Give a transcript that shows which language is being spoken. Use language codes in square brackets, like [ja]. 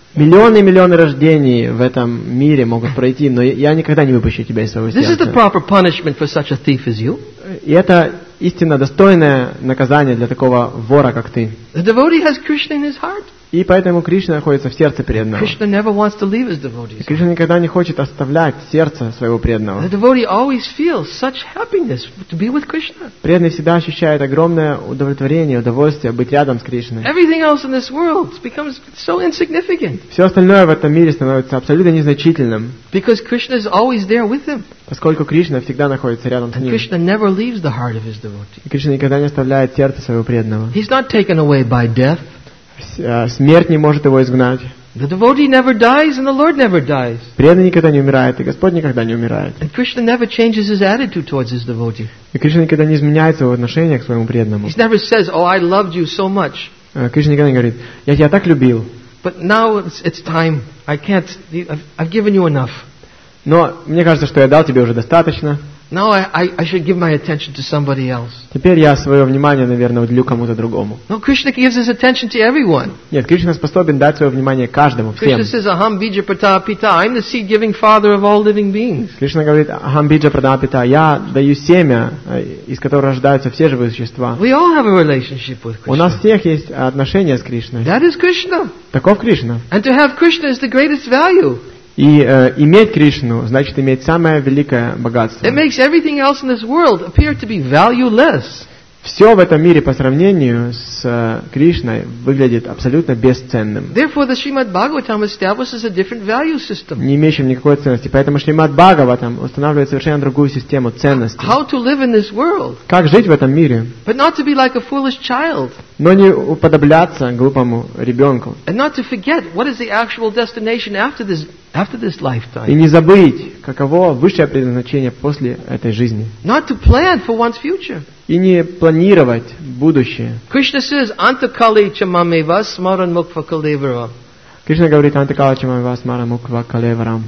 [ru] Миллионы и миллионы рождений в этом мире могут пройти, но я никогда не выпущу тебя из своего сердца. [en] This is the proper punishment for such a thief as you. [ru] И это истинно достойное наказание для такого вора, как ты. [en] The devotee has Krishna in his heart. [ru] И поэтому Кришна находится в сердце преданного. [en] Krishna never wants to leave his devotees. [ru] Кришна никогда не хочет оставлять сердце своего преданного. [en] The devotee always feels such happiness to be with Krishna. [ru] Преданный всегда ощущает огромное удовлетворение, удовольствие быть рядом с Кришной. [en] Everything else in this world becomes so insignificant. [ru] Все остальное в этом мире становится абсолютно незначительным. [en] Because Krishna is always there with him. [ru] Поскольку Кришна всегда находится рядом с ним. [en] And Krishna never leaves the heart of his devotee. [ru] И Кришна никогда не оставляет сердце своего преданного. [en] He's not taken away by death. [ru] Смерть не может его изгнать. [en] The devotee never dies and the Lord never dies. [ru] Преданный никогда не умирает, и Господь никогда не умирает. [en] And Krishna never changes his attitude towards his devotee. [ru] И Кришна никогда не изменяет своего отношения к своему преданному. [en] He never says, "Oh, I loved you so much." [ru] Кришна никогда не говорит, "Я тебя так любил." [en] But now it's time. I can't. I've given you enough. [ru] Но мне кажется, что я дал тебе уже достаточно. [en] Now I should give my attention to somebody else. [ru] Теперь я свое внимание, наверное, уделю кому-то другому. [en] No, Krishna gives his attention to everyone. [ru] Нет, Кришна способен дать свое внимание каждому, всем. [en] Krishna says, [sa] "Aham bija pratapita, [en] I'm the seed-giving father of all living beings." [ru] Кришна говорит, [sa] "Aham bija pratapita, [ru] я даю семя, из которого рождаются все живые существа." [en] We all have a relationship with Krishna. [ru] У нас всех есть отношения с Кришной. [en] That is Krishna. [ru] Таков Кришна. [en] And to have Krishna is the greatest value. [ru] И иметь Кришну, значит иметь самое великое богатство. [en] It makes everything else in this world appear to be valueless. [ru] Все в этом мире по сравнению с Кришной выглядит абсолютно бесценным. [en] Therefore, the Srimad Bhagavatam establishes a different value system. [ru] Не имеющим никакой ценности. Поэтому Шримад Бхагаватам устанавливает совершенно другую систему ценностей. [en] How to live in this world? [ru] Как жить в этом мире? [en] But not to be like a foolish child. [ru] Но не уподобляться глупому ребенку. [en] And not to forget what is the actual destination after this. After this lifetime. [ru] И не забыть, каково высшее предназначение после этой жизни. [en] Not to plan for one's future. [ru] И не планировать будущее. [en] Krishna says, [sa] "Antakali chamameva smaran mukva kalevaram." [ru] Кришна говорит, [sa] "Антакали чамамева смаран муква калеварам."